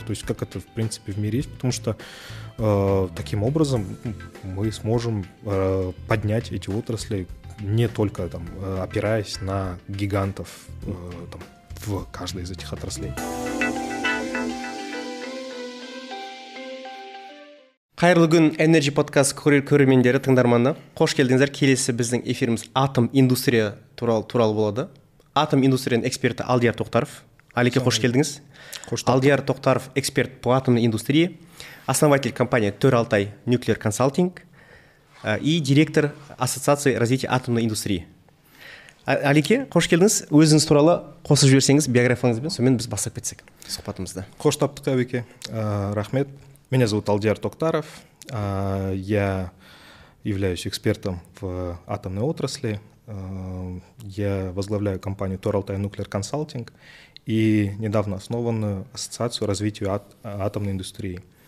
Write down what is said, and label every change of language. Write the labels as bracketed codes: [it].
[ru] То есть как это, в принципе, в мире есть. Потому что таким образом мы сможем поднять эти отрасли, не только там, опираясь на гигантов там, в каждой из этих отраслей. [kk] Қайырлы күн, Energy Podcast көрермендері, тыңдарманы. Қош келдіңіздер. Келесі біздің эфиріміз атом индустрия туралы болады. Атом индустрияның эксперті Алдияр Тоқтаров. Алеке, қош келдіңіз. Қош таптық. [ru] Алдияр Тоқтаров эксперт по атомной индустрии, основатель компании Төралтай Nuclear Consulting и директор Ассоциации развития атомной индустрии. [kk] Алеке, қош келдіңіз. Өзіңіз туралы қосып жіберсеңіз, биографияңызбен, сонымен біз бастап кетсек сұхбатымызды. Қош таптық, әбеке. Рахмет. [ru] Меня зовут Алдияр Тоқтаров. Я являюсь экспертом в атомной отрасли. Я возглавляю компанию Төралтай Nuclear Consulting и недавно основанную Ассоциацию развития атомной индустрии.